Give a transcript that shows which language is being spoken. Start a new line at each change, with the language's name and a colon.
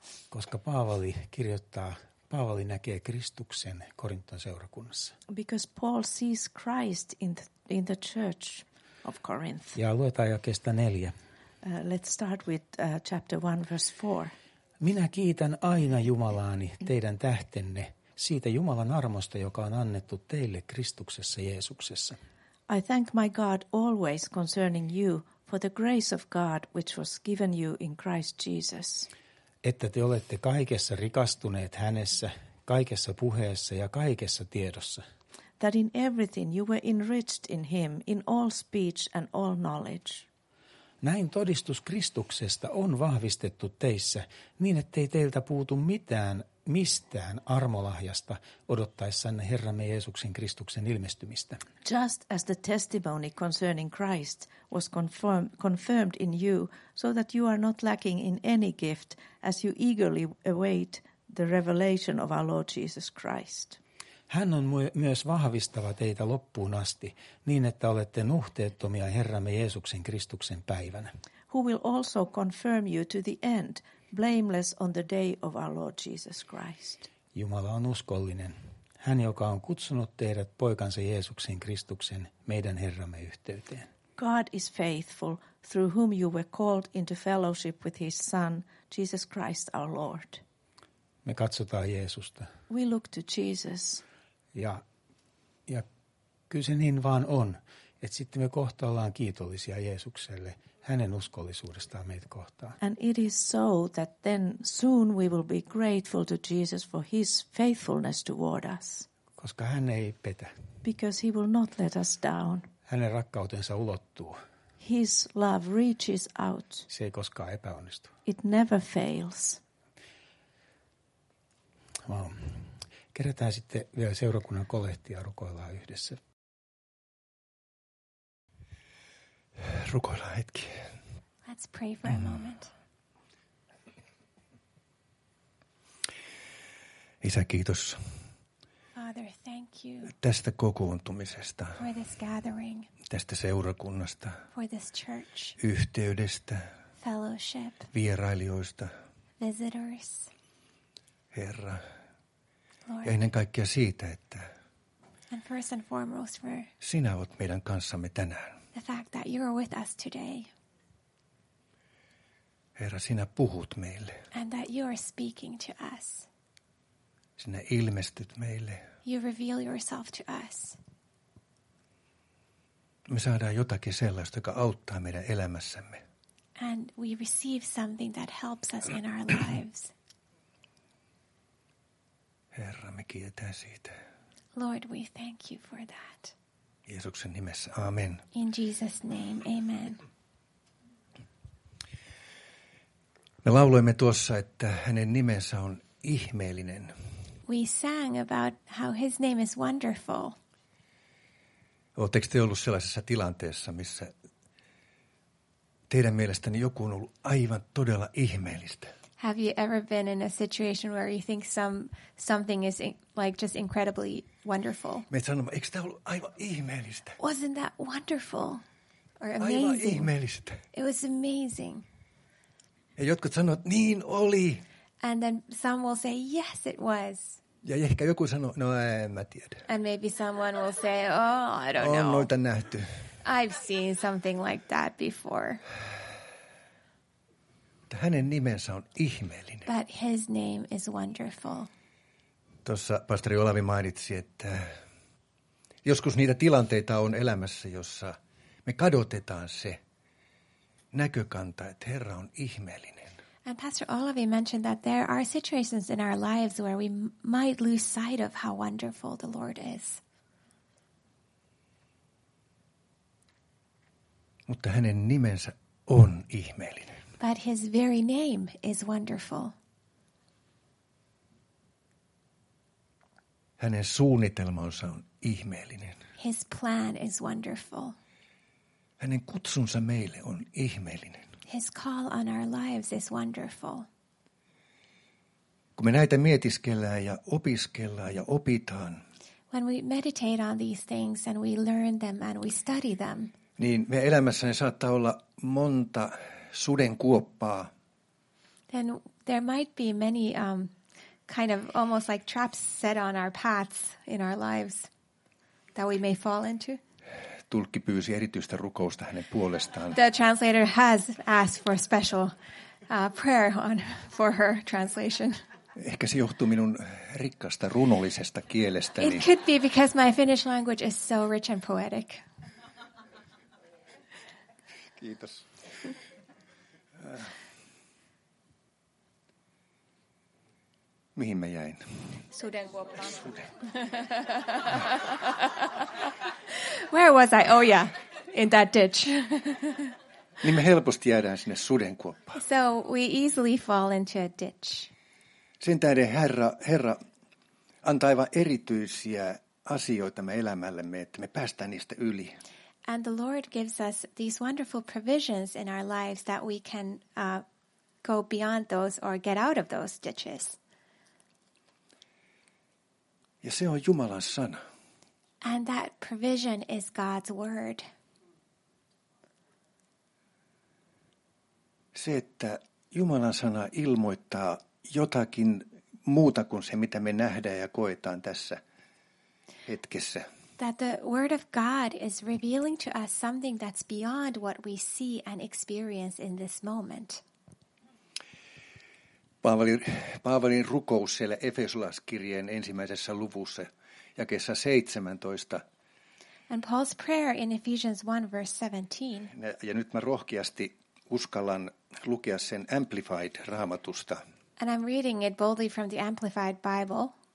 Finnish: Koska Paavali kirjoittaa, Paavali näkee Kristuksen Korinton seurakunnassa.
English: Because Paul sees Christ in the church of Corinth.
Finnish: Ja luetaan jakeesta 4.
English: Let's start with chapter 1 verse 4.
Finnish: Minä kiitän aina Jumalaani teidän tähtenne siitä Jumalan armosta, joka on annettu teille Kristuksessa Jeesuksessa.
English: I thank my God always concerning you for the grace of God which was given you in Christ Jesus.
Finnish: Että te olette kaikessa rikastuneet hänessä, kaikessa puheessa ja kaikessa tiedossa.
English: That in everything you were enriched in him, in all speech and all knowledge.
Finnish: Näin todistus Kristuksesta on vahvistettu teissä, niin ettei teiltä puutu mitään mistään armolahjasta odottaessanne Herramme Jeesuksen Kristuksen ilmestymistä.
English: Just as the testimony concerning Christ was confirmed in you, so that you are not lacking in any gift, as you eagerly await the revelation of our Lord Jesus Christ.
Finnish: Hän on myös vahvistava teitä loppuun asti, niin että olette nuhteettomia Herramme Jeesuksen Kristuksen päivänä.
English: Who will also confirm you to the end, blameless on the day of our Lord Jesus Christ.
Finnish: Jumala on uskollinen. Hän, joka on kutsunut teidät poikansa Jeesuksen Kristuksen meidän Herramme yhteyteen.
English: God is faithful, through whom you were called into fellowship with his Son, Jesus Christ our Lord.
Finnish: Me katsotaan Jeesusta.
English: We look to Jesus.
Finnish: Ja kyllä se niin vaan on, että sitten me kohta ollaan kiitollisia Jeesukselle hänen uskollisuudestaan meitä kohtaan.
English: And it is so that then soon we will be grateful to Jesus for his faithfulness toward us.
Finnish: Koska hän ei petä.
English: Because he will not let us down.
Finnish: Hänen rakkautensa ulottuu.
English: His love reaches out.
Finnish: Se ei koskaan epäonnistu.
English: It never fails. Wow.
Finnish: Kerätään sitten vielä seurakunnan kolehtia, rukoillaan yhdessä. Rukoillaan hetki.
English: Let's pray for a moment.
Finnish: Isä, kiitos.
English: Father, thank you.
Finnish: Tästä kokoontumisesta.
English: For this gathering.
Finnish: Tästä seurakunnasta.
English: For this church.
Finnish: Yhteydestä.
English: Fellowship.
Finnish: Vierailijoista.
English: Visitors.
Finnish: Herra. Ja ennen kaikkea siitä, että
English: and first and foremost for
Finnish: sinä olet meidän kanssamme tänään.
English: The fact that you are with us today.
Finnish: Herra, sinä puhut meille.
English: And that you are speaking to us.
Finnish: Sinä ilmestyt meille.
English: You reveal yourself to us.
Finnish: Me saadaan jotakin sellaista, joka auttaa meidän elämässämme.
English: And we receive something that helps us in our lives.
Finnish: Herra, me kiitämme siitä.
English: Lord, we thank you for that.
Finnish: Jeesuksen nimessä, amen.
English: In Jesus' name, amen.
Finnish: Me lauloimme tuossa, että hänen nimensä on ihmeellinen.
English: We sang about how his name is wonderful.
Finnish: Oletteko te ollut sellaisessa tilanteessa, missä teidän mielestänne joku on ollut aivan todella ihmeellistä?
English: Have you ever been in a situation where you think something is just incredibly wonderful?
Finnish: Me sanomme, eikö tämä ollut aivan ihmeellistä?
English: Wasn't that wonderful or amazing?
Finnish: Aivan ihmeellistä.
English: It was amazing.
Finnish: Ja jotkut sanovat, niin oli.
English: And then some will say, yes, it was.
Finnish: Ja ehkä joku sanoo, no en mä tiedä.
English: And maybe someone will say, oh, I don't know.
Finnish: On noita nähty.
English: I've seen something like that before.
Finnish: Hänen nimensä on ihmeellinen.
English: But his name is wonderful.
Finnish: Tuossa pastori Olavi mainitsi, että joskus niitä tilanteita on elämässä, jossa me kadotetaan se näkökanta, että Herra on ihmeellinen.
English: And Pastor Olavi mentioned that there are situations in our lives where we might lose sight of how wonderful the Lord is.
Finnish: Mutta hänen nimensä on ihmeellinen.
English: But his very name is wonderful.
Finnish: Hänen suunnitelmansa on ihmeellinen.
English: His plan is wonderful.
Finnish: Hänen kutsunsa meille on ihmeellinen.
English: His call on our lives is wonderful.
Finnish: Kun me näitä mietiskellään ja opiskellaan ja opitaan,
English: when we meditate on these things and we learn them and we study them,
Finnish: niin meidän elämässämme saattaa olla monta sudenkuoppaa.
English: Then there might be many kind of almost like traps set on our paths in our lives that we may fall into.
Finnish: Tulkki pyysi erityistä rukousta hänen puolestaan.
English: The translator has asked for a special prayer on for her translation.
Finnish: Ehkä se johtuu minun rikkaasta runollisesta kielestäni.
English: It could be because my Finnish language is so rich and poetic.
Finnish: Kiitos. Mihin mä jäin? Sudenkuoppaan. Suden.
English: Where was I? Oh yeah, in that ditch.
Finnish: Niin me helposti jäädään sinne sudenkuoppaan.
English: So we easily fall into a ditch.
Finnish: Sen tähden Herra antaa aivan erityisiä asioita me elämällemme, että me päästään niistä yli.
English: And the Lord gives us these wonderful provisions in our lives that we can go beyond those or get out of those ditches.
Finnish: Ja se on Jumalan sana.
English: And that provision is God's word.
Finnish: Se, että Jumalan sana ilmoittaa jotakin muuta kuin se, mitä me nähdään ja koetaan tässä hetkessä.
English: That the word of God is revealing to us something that's beyond what we see and experience in this moment.
Finnish: Paavalin rukous siellä Efesolaiskirjeen ensimmäisessä luvussa jakeessa 17.
English: And Paul's prayer in Ephesians 1 verse 17.
Finnish: Ja nyt mä rohkeasti uskallan lukea sen Amplified Raamatusta.
English: And I'm reading it boldly from the Amplified Bible.